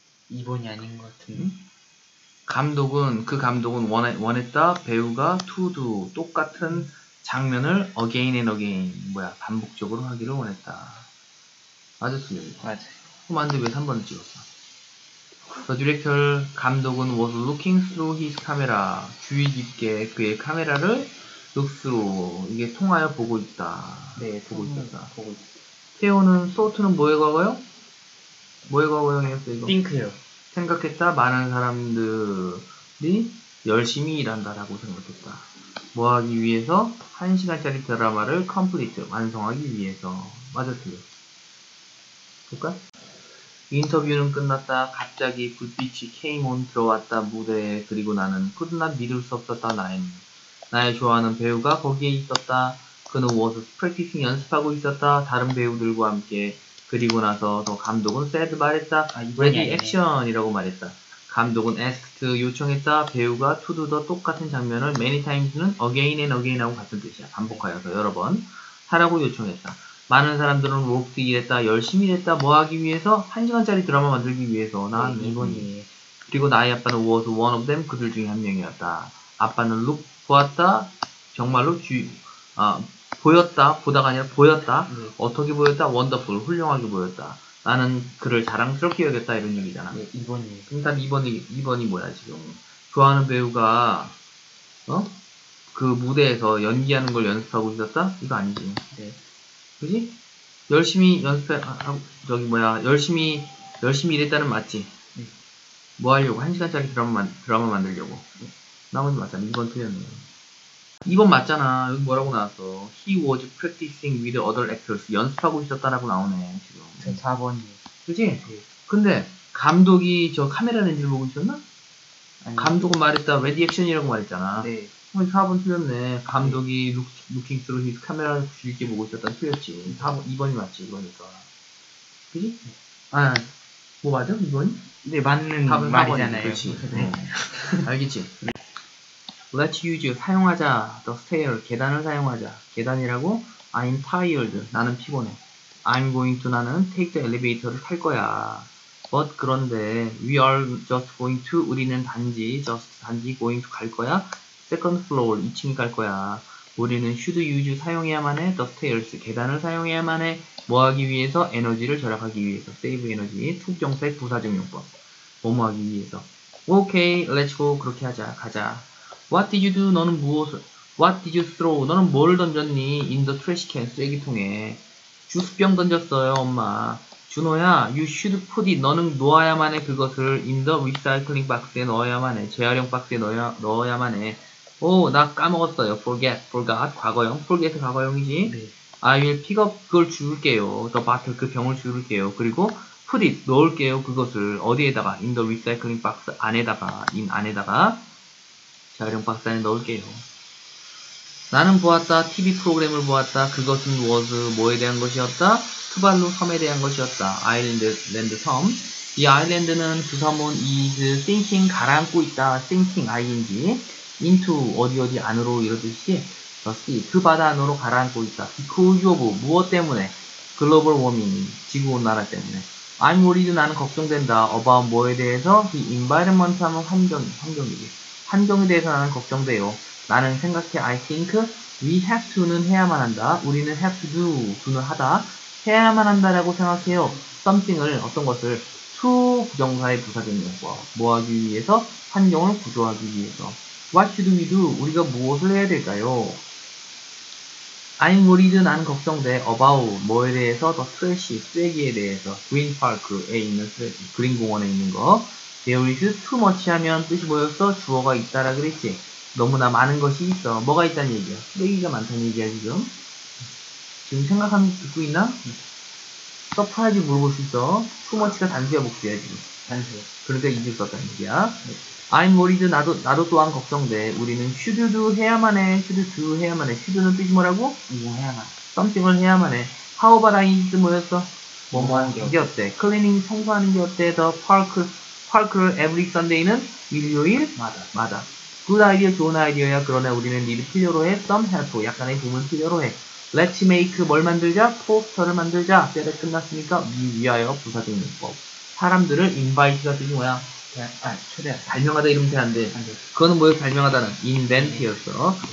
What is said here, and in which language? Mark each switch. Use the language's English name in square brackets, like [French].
[Korean] 2번이 아닌 것 같은데. 그 감독은 원했다, 배우가 [English] to do, [Korean] 똑같은 장면을 [English] again and again, [Korean] 뭐야, 반복적으로 하기를 원했다. 맞았어요. 맞아요. 그럼 안 돼, 왜 3번을 찍었어? [English] The director, [Korean] 감독은 [English] was looking through his camera. [Korean] 주의 깊게 그의 카메라를 [English] look through. [Korean] 이게 통하여 보고 있다. 네, 보고 통 있었다. 보고 태호는, 소트는 뭐의 과거요? 뭐의 과거형이었어, 이거? 띵크요. 생각했다. 많은 사람들이 열심히 일한다라고 생각했다. 뭐 하기 위해서? 1시간짜리 드라마를 complete. 완성하기 위해서. 맞았어요. 볼까? 인터뷰는 끝났다. 갑자기 불빛이 [English] came on [Korean] 들어왔다. 무대에. 그리고 나는 [English] could not [Korean] 믿을 수 없었다. 나의 좋아하는 배우가 거기에 있었다. 그는 [English] was practicing [Korean] 연습하고 있었다. 다른 배우들과 함께. 그리고 나서 더 감독은 said 말했다. 아, 2번이 [English] ready [Korean] 아니네. action이라고 말했다. 감독은 asked 요청했다. 배우가 [English] to do the [Korean] 똑같은 장면을 [English] many times는 again and again [Korean] 하고 같은 뜻이야. 반복하여서 여러 번 하라고 요청했다. 많은 사람들은 [English] worked [Korean] 일했다. 열심히 일했다. 뭐 하기 위해서? 1시간짜리 드라마 만들기 위해서. 네, 나는 2번이에요. [English] 그리고 나의 아빠는 was one of them. [Korean] 그들 중에 한 명이었다. 아빠는 look 보았다. 정말로 보였다. 보다가 아니라 보였다. 네. 어떻게 보였다? 원더풀. 훌륭하게 보였다. 나는 그를 자랑스럽게 여겼다. 이런 얘기잖아. 네, 2번이에요. 그럼 일단 2번이 뭐야, 지금. 좋아하는 배우가, 그 무대에서 연기하는 걸 연습하고 있었다? 이거 아니지. 네. 그지? 열심히 연습해, 저기 뭐야, 열심히 일했다는 맞지? 뭐 하려고? 1시간짜리 드라마 만들려고. 나머지 맞잖아. 2번 틀렸네. 2번 맞잖아. 여기 뭐라고 나왔어? [English] He was practicing with other actors. [Korean] 연습하고 있었다라고 나오네, 지금. 제 4번이에요. 그지? 근데, 감독이 저 카메라 렌즈를 보고 있었나? 감독은 말했다. Ready action이라고 말했잖아. 네. 아니요. 네. 4번 틀렸네. 네. 감독이 [English] looking through his [Korean] 카메라를 주의 깊게 보고 있었다. 틀렸지. 4번, 2번이 맞지, 이거니까. 그지? 아, 뭐 맞아, 2번이? 네, 맞는 답은 4번이지, 말이잖아요. 그렇지. 네. 알겠지? [English] Let's use, [Korean] 사용하자. [English] The stair, [Korean] 계단을 사용하자. 계단이라고? [English] I'm tired, [Korean] 나는 피곤해. [English] I'm going to, [Korean] 나는 [English] take the elevator [Korean] 를 탈 거야. [English] But, [Korean] 그런데, [English] we are just going to, [Korean] 우리는 단지 [English] going to [Korean] 갈 거야. [English] Second floor, [Korean] 2층에 갈 거야. 우리는 [English] should use [Korean] 사용해야만 해. [English] The stairs, [Korean] 계단을 사용해야만 해. 뭐 하기 위해서? 에너지를 절약하기 위해서. [English] Save energy, [Korean] 속정사의 부사적용법. 뭐뭐 하기 위해서. [English] Okay, let's go. [Korean] 그렇게 하자. 가자. [English] What did you do? [Korean] 너는 무엇을, [English] What did you throw? [Korean] 너는 뭘 던졌니? [English] In the trash can, [Korean] 쓰레기통에. 주스병 던졌어요, 엄마. 준호야, [English] you should put it. [Korean] 너는 놓아야만 해. 그것을 [English] in the recycling box에 [Korean] 넣어야만 해. 재활용 박스에 넣어야만 해. 오, 나 까먹었어요. forgot, 과거형. forget 과거형이지. 네. [English] I will pick up [Korean] 그걸 줄게요. [English] The bottle [Korean] 그 병을 줄게요. 그리고 [English] put it [Korean] 넣을게요. 그것을 어디에다가? [English] In the recycling box [Korean] 안에다가. in 안에다가. 재활용 박스 안에 넣을게요. 나는 보았다. TV 프로그램을 보았다. 그것은 was 뭐에 대한 것이었다? 투발루 섬에 대한 것이었다. 아일랜드 섬. 이 아일랜드는 부사문 is thinking 가라앉고 있다. thinking ing. into 어디 안으로 이러듯이 the sea 그 바다 안으로 가라앉고 있다. [English] because of [Korean] 무엇 때문에? [English] global warming [Korean] 지구 온난화 때문에. [English] I'm worried [Korean] 나는 걱정된다. [English] about [Korean] 뭐에 대해서? [English] the environment 하면 환경이지. [Korean] 환경에 대해서 나는 걱정돼요. 나는 생각해. [English] I think we have to [Korean] 는 해야만 한다. 우리는 [English] have to do [Korean] 는 하다. 해야만 한다라고 생각해요. something을 어떤 것을 to 부정사의 부사적용법. 뭐 하기 위해서? 환경을 구조하기 위해서. [English] What should we do? [Korean] 우리가 무엇을 해야 될까요? [English] I'm worried, [Korean] 나는 걱정돼. About, 뭐에 대해서? [English] The trash, [Korean] 쓰레기에 대해서. Green Park에 있는 쓰레기, 그린 공원에 있는 거. [English] There is too much [Korean] 하면 뜻이 뭐였어? 주어가 있다라 그랬지. 너무나 많은 것이 있어. 뭐가 있다는 얘기야? 쓰레기가 많다는 얘기야, 지금. 지금 생각하면 듣고 있나? 서프라이즈 물어볼 수 있어. Too much가 단수야, 복수야, 지금. 단수. 그러니까 잊을 수 없다는 얘기야. [English] I'm worried, [Korean] 나도 또한 걱정돼. 우리는 [English] should do [Korean] 해야만 해. should do 해야만 해. should는 뜻이 뭐라고? 이용해야만. something을 해야만 해. [English] how about [Korean] I 뭐였어? 뭐뭐 하는 게 어때? 클리닝 청소하는 게 어때? [English] The park를 every Sunday [Korean] 는 일요일? 맞아. [English] Good idea, [Korean] 좋은 아이디어야. 그러나 우리는 need 필요로 해. [English] Some help, [Korean] 약간의 도움을 필요로 해. [English] Let's make, [Korean] 뭘 만들자? 포스터를 만들자. 때를 끝났으니까 위하여 부사적인 법. 사람들을 invite가 되는 거야. 초대하다. 발명하다 이러면 안 돼. 그거는 뭐예요? 발명하다는. invent였어.